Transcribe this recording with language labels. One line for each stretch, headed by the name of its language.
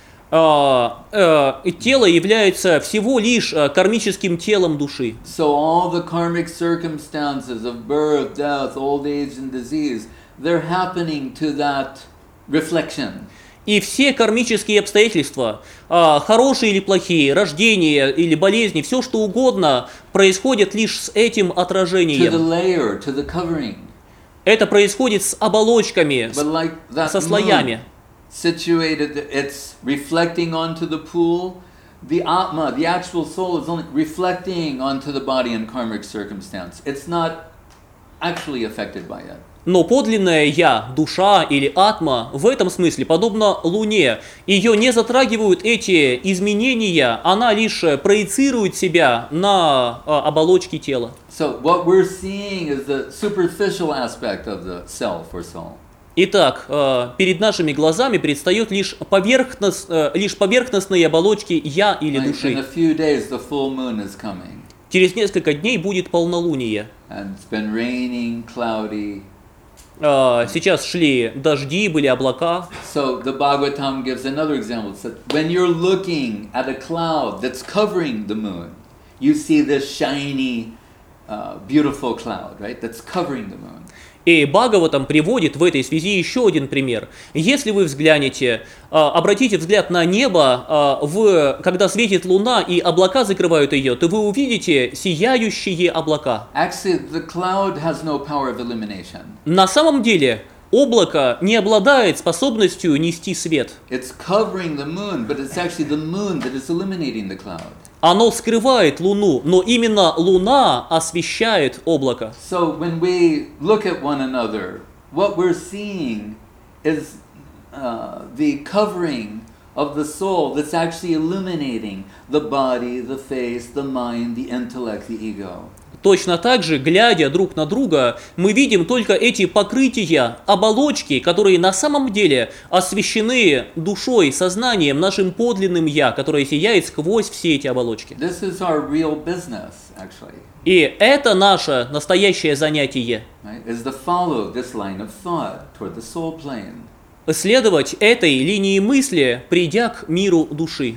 Russian: Тело является всего лишь кармическим телом души.
English: So all the karmic circumstances of birth, death, old age and disease, they're happening to that reflection.
Russian: И все кармические обстоятельства, хорошие или плохие, рождение или болезни, все что угодно, происходит лишь с этим отражением.
English: To the layer, to the covering.
Russian: Это происходит с оболочками, like со слоями.
English: Situated, it's reflecting onto the pool. The Atma, the actual soul, is only reflecting onto the body in karmic circumstance. It's not actually affected by it.
Russian: Но подлинное я, душа или атма, в этом смысле, подобно Луне, ее не затрагивают эти изменения, она лишь проецирует себя на оболочки тела.
English: So what we're seeing is the superficial aspect of the self or soul.
Russian: Итак, перед нашими глазами предстают лишь, поверхностные оболочки «я» или «души».
English: In a few days the full moon is coming.
Russian: Через несколько дней будет полнолуние.
English: And it's been raining, cloudy.
Russian: Сейчас шли дожди, были облака.
English: So the Bhagavatam gives another example. It says, when you're looking at a cloud that's covering the moon, you see this shiny, beautiful cloud, right? That's covering the moon.
Russian: И Бхагаватам приводит в этой связи еще один пример. Если вы взглянете, обратите взгляд на небо, когда светит луна и облака закрывают ее, то вы увидите сияющие облака.
English: Actually, the cloud has no power of illumination.
Russian: На самом деле, облако не обладает способностью нести свет.
English: It's covering the moon, but it's actually the moon that is illuminating the cloud.
Russian: Оно скрывает луну, но именно луна освещает облако.
English: So when we look at one another, what we're seeing is the covering of the soul that's actually illuminating the body, the face, the mind, the intellect, the ego.
Russian: Точно так же, глядя друг на друга, мы видим только эти покрытия, оболочки, которые на самом деле освещены душой, сознанием, нашим подлинным «я», которое сияет сквозь все эти оболочки.
English: This is our real business, actually.
Russian: И это наше настоящее занятие.
English: Is to follow this line of thought toward the soul plane.
Russian: Следовать этой линии мысли, придя к миру души.